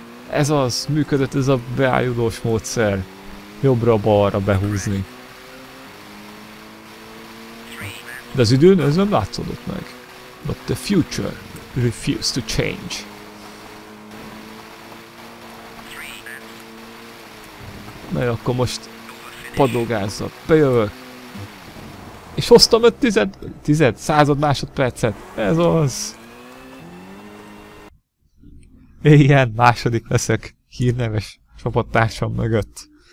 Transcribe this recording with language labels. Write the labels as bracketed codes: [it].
[hu] Ez az, működött ez a beájulós módszer. Jobbra-balra behúzni. De az időn ez nem látszódott meg. [en] But the future refused to change. [hu] Na jó, akkor most padlógázzal bejövök. És hoztam 100 másodpercet. Ez az. Ilyen második leszek hírneves csapattársam mögött.